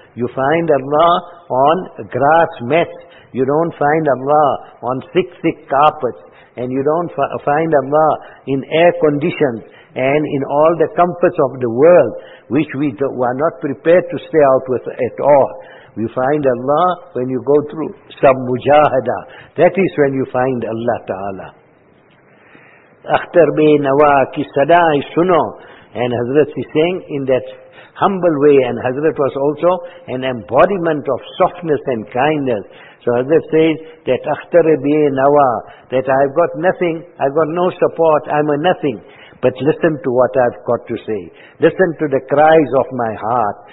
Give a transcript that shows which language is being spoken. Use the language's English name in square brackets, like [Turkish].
[English] You find Allah on grass mats. You don't find Allah on thick carpets. And you don't find Allah in air conditions and in all the comforts of the world, which we are not prepared to stay out with at all. You find Allah when you go through some mujahada. That is when you find Allah Ta'ala. [Urdu] Akhtar بے نوا کی صدائیں سنو. [English] And حضرت is saying in that humble way, and حضرت was also an embodiment of softness and kindness. So حضرت says that [Urdu] Akhtar بے نوا, [English] that I've got nothing, I've got no support, I'm a nothing. But listen to what I've got to say. Listen to the cries of my heart.